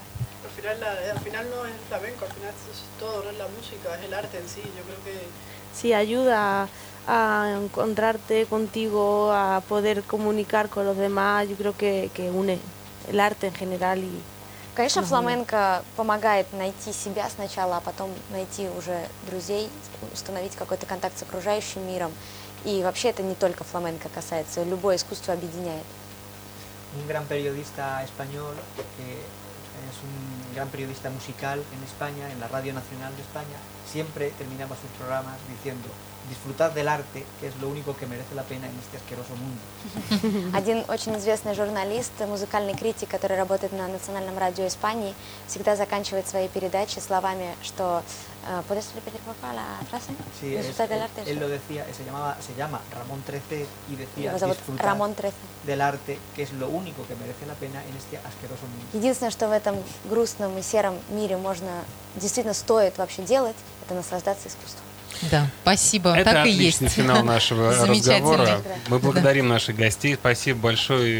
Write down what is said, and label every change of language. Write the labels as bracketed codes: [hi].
[es] Al final no es el flamenco, al final es todo, no es la música, es el arte en sí. Yo creo que sí ayuda a encontrarte contigo, a poder comunicar con los demás. Yo creo que une el arte en general y. [ru] Конечно, фламенко помогает найти себя сначала, а потом найти уже друзей, установить какой-то контакт с окружающим миром. И вообще это не только фламенко касается, любое искусство объединяет. [es] Un gran periodista español, que es un gran periodista musical en España, en la Radio Nacional de España, siempre terminaba sus programas diciendo: disfrutad del arte, que es lo único que merece la pena en este asqueroso mundo. [ru] Один очень известный журналист, музыкальный критик, который работает на Национальном радио Испании, всегда заканчивает свои передачи словами, что [es] ¿Puedes repetir por favor la frase? Sí, disfrutad del arte. Él lo decía, se llama Ramón XIII y decía: disfrutad Ramón XIII. Del arte, que es lo único que merece la pena en este asqueroso mundo. [ru] Единственное, что в этом грустном и сером мире можно действительно стоит вообще делать, это наслаждаться искусством. Да, спасибо. Это так отличный и есть. Финал нашего разговора. Мы благодарим наших гостей. Спасибо большое.